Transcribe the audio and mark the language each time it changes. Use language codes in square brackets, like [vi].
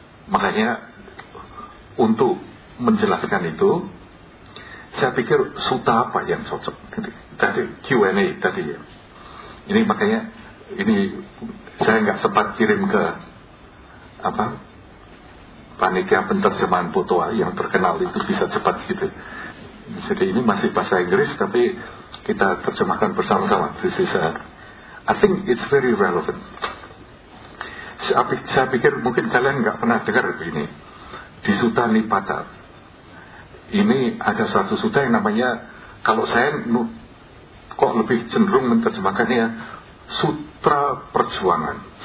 [id] Makanya untuk menjelaskan itu, saya pikir suta apa yang cocok dari Q&A tadi. Ini makanya ini saya nggak sempat kirim ke apa? Panitia penerjemahan putua yang terkenal itu bisa cepat gitu. Jadi ini masih bahasa Inggris tapi kita terjemahkan bersama-sama. [en] This is I think it's very relevant. [id] Saya pikir mungkin kalian nggak pernah dengar ini. Di Sutta Nipata ini ada satu sutta yang namanya, kalau saya kok lebih cenderung menerjemahkannya sutra perjuangan.